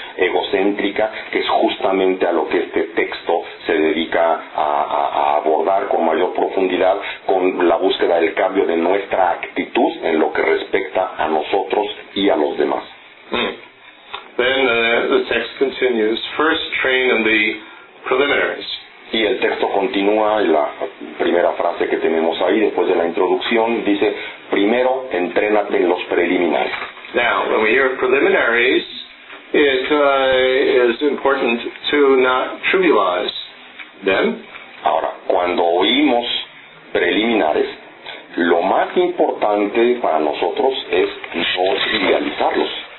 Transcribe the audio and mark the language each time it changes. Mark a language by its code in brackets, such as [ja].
[es] egocéntrica, que es justamente a lo que este texto se dedica a abordar con mayor profundidad, con la búsqueda del cambio de nuestra actitud en lo que respecta a nosotros y a los demás. [en] Then the text continues. First, train in the preliminaries. [es] Y el texto continúa, y la primera frase que tenemos ahí después de la introducción dice: primero, entrénate en los preliminares. [en] Now, when we hear preliminaries, it is important to not trivialize them. [es] Ahora, cuando oímos preliminares, lo más importante para nosotros es no trivializarlos.